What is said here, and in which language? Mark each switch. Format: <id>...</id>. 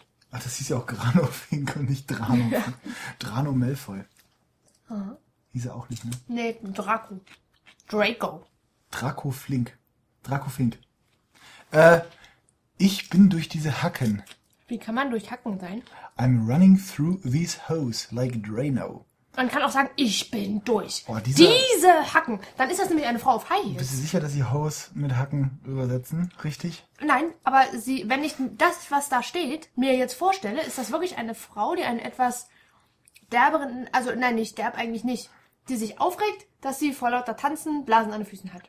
<de>Ach, das hieß ja auch Grano Fink und nicht Drano. Ja. Drano Malfoy. Hieß er auch nicht, ne? Nee, Draco. Draco. Draco Flink. Draco Fink. Ich bin durch diese Hacken. Wie kann man durch Hacken sein?</de> <en>I'm running through these holes like Drano.</en> <de>Man kann auch sagen, ich bin durch. Oh, diese Hacken. Dann ist das nämlich eine Frau auf High Heels. Bist du sicher, dass sie Hose mit Hacken übersetzen? Richtig? Nein, aber sie, wenn ich das, was da steht, mir jetzt vorstelle, ist das wirklich eine Frau, die einen etwas derberen, also nein, nicht derb, eigentlich nicht, die sich aufregt, dass sie vor lauter Tanzen Blasen an den Füßen hat.</de>